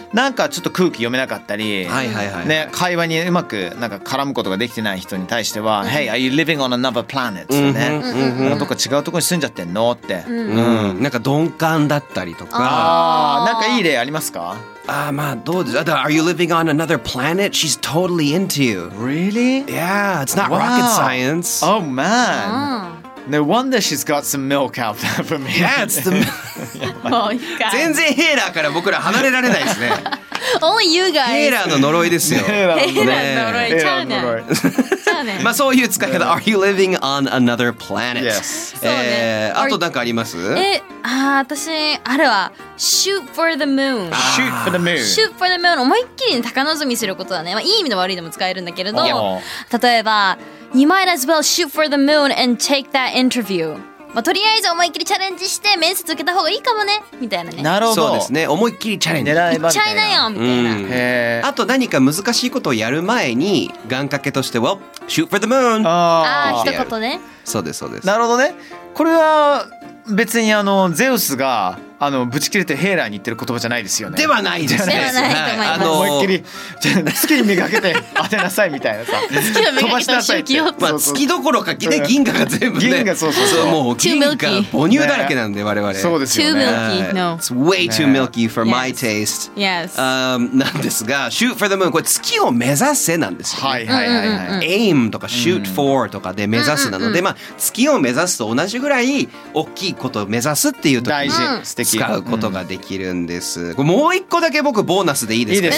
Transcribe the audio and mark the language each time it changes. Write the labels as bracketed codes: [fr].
[ja] なんかちょっと空気読めなかったり、はいはいはいね、会話にうまくなんか絡むことができてない人に対しては、うん、 [en] Hey, are you living on another planet? [ja] っ、ね、うんうん、どっか違うところに住んじゃってんのって、うんうん、なんか鈍感だったりとか、あ、なんかいい例ありますか？あ、まあどうです。 [en] Are you living on another planet? She's totally into you. Really? Yeah, it's not rocket science. Oh man. No wonder she's got some milk out there for me. Yeah, it's the milk. [ja] 全然ヘイラーから僕ら離れられないですね。 [en] Only you guys. [ja] ヘイラーの呪いですよ。ヘイラーの呪い。ちゃうねん。まあそういう使い方、 [en] Are you living on another planet? Yes. [ja] そうね。あと何かあります？あ、私あれは shoot for the moon。 [en] Shoot for the moon。 Shoot for the moon。 [ja] 思いっきりに高望みすることだね。まあいい意味の悪いでも使えるんだけれど、例えば [en] You might as well shoot for the moon and take that interview。 [ja] まあ、とりあえず思いっきりチャレンジして面接受けた方がいいかもねみたいなね。なるほど。そうですね。思いっきりチャレンジ。狙えばみたいな。行っちゃいなよみたいな。うん、へえ。あと何か難しいことをやる前に願掛けとして、well shoot for the moon。ああ。一言ね。そうですそうです。なるほどね。これは別にあのゼウスがあのぶち切れてヘイラーに言ってる言葉じゃないですよね。ではないですね。ではないと思います。はい、思いっきり月に磨けて当てなさいみたいなさ。月を磨けた周期を。まあ月どころか、ね、銀河が全部ね。銀河そうもう銀河母乳だらけなんで、ね、我々。そうですよね。 [en] Too milky, no. It's way too milky for my taste. Yes. [ja] なんですが、shoot for the moon これ月を目指せなんですよ、ね。はいはいはいはい。 aim とか shoot for とかで目指すなので、まあ月を目指すと同じぐらい大きいことを目指すっていう時に。大事。使うことができるんです、うん、もう一個だけ僕ボーナスでいいですか？